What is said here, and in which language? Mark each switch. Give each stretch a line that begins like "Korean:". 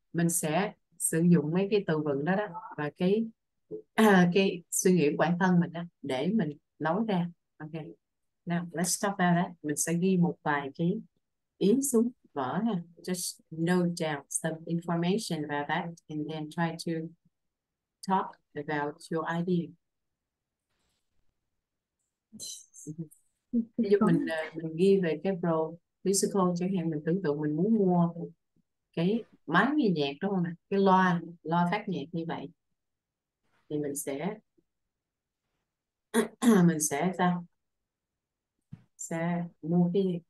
Vietnamese: Mình sẽ sử dụng mấy cái từ vựng đó đó và cái suy nghĩ của bản thân mình đó để mình nói ra. Okay.
English: Now, let's talk about that.
Vietnamese: Mình sẽ ghi một vài cái ý xuống vở ha.
English: Just note down some information about that and then try to talk about your idea.
Vietnamese: Ví dụ mình ghi về cái pro physical, chẳng hạn mình tưởng tượng mình muốn mua cái máy nghe nhạc đúng không nè, cái loa phát nhạc như vậy thì mình sẽ mua cái gì?